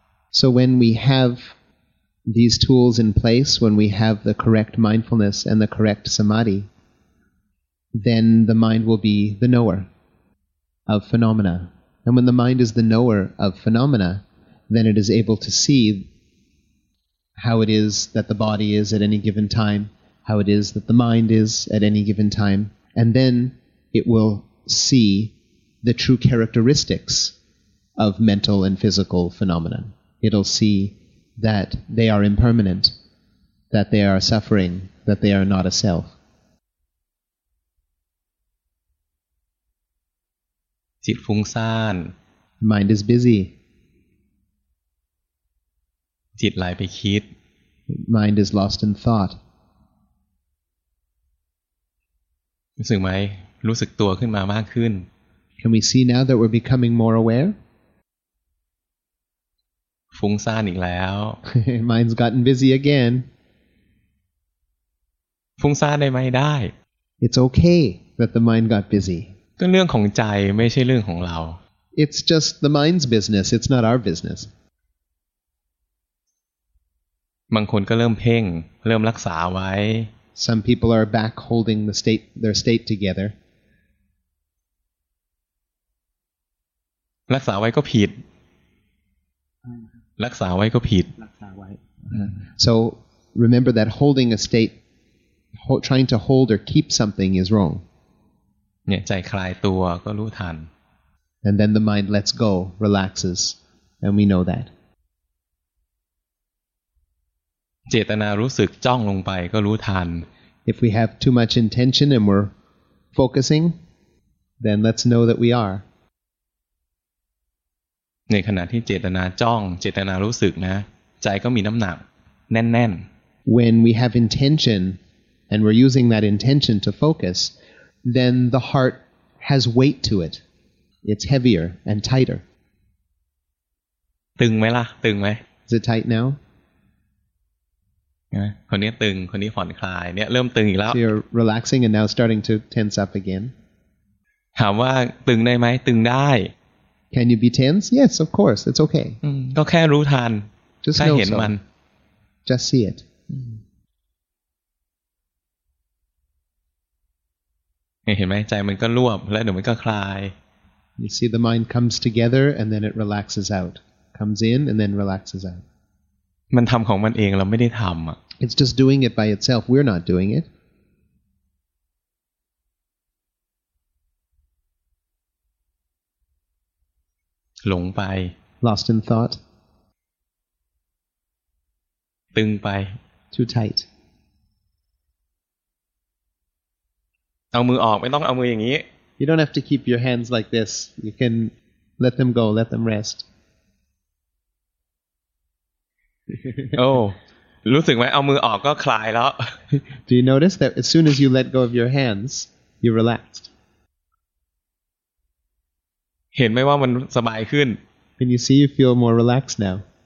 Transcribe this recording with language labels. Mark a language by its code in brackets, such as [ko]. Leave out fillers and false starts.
[en] So when we have these tools in place, when we have the correct mindfulness and the correct samadhi, then the mind will be the knower. Of phenomena. And when the mind is the knower of phenomena, then it is able to see how it is that the body is at any given time, how it is that the mind is at any given time, and then it will see the true characteristics of mental and physical phenomena. It'll see that they are impermanent, that they are suffering, that they are not a self. [th] จิตฟุ้งซ่าน [en] mind is busy [th] จิตไหลไปคิด [en] mind is lost in thought [th] รู้สึกไหมรู้สึกตัวขึ้นมามากขึ้น [en] can we see now that we're becoming more aware [th] ฟุ้งซ่านอีกแล้ว [en] mind's gotten busy again [th] ฟุ้งซ่านได้ไหมได้ [en] it's okay that the mind got busy [th] ก็เรื่องของใจไม่ใช่เรื่องของเรา [en] It's just the mind's business. It's not our business. [th] บางคนก็เริ่มเพ่งเริ่มรักษาไว้ [en] Some people are back holding the state, their state together. [th] รักษาไว้ก็ผิดรักษาไว้ก็ผิด รักษาไว้ [en] So remember that holding a state, trying to hold or keep something is wrong. [th] เนี่ยใจคลายตัวก็รู้ทัน [en] and then the mind lets go relaxes and we know that [th] เจตนารู้สึกจ้องลงไปก็รู้ทัน [en] if we have too much intention and we're focusing then let's know that we are [th] ในขณะที่เจตนาจ้องเจตนารู้สึกนะใจก็มีน้ำหนักแน่น [en] ๆ when we have intention and we're using that intention to focusthen the heart has weight to it. It's heavier and tighter. [th] ตึงไหมล่ะตึงไหม [en] Is it tight now? [th] คนนี้ตึงคนนี้ผ่อนคลายเนี่ยเริ่มตึงอีกแล้ว [en] So you're relaxing and now starting to tense up again. [th] ถามว่าตึงได้ไหมตึงได้ [en] Can you be tense? Yes, of course. It's okay. [th] ก็แค่รู้ทันแค่เห็นมัน [en] Just see it. [th] เห็นไหมใจมันก็รวบแล้วเดี๋ยวมันก็คลาย [en] You see the mind comes together and then it relaxes out. Comes in and then relaxes out. [th] มันทำของมันเองเราไม่ได้ทำอ่ะ [en] It's just doing it by itself. We're not doing it. [th] หลงไป [en] Lost in thought. [th] ตึงไป [en] Too tight. [th] เอามือออกไม่ต้องเอามืออย่างนี้ [en] You don't have to keep your hands like this. You can let them go, let them rest. Oh, [th] รู้สึกไหมเอามือออกก็คลายแล้ว [en] Do you notice that as soon as you let go of your hands you relaxed [th] เห็นไหมว่ามันสบายขึ้น [en] Can you see you feel more relaxed now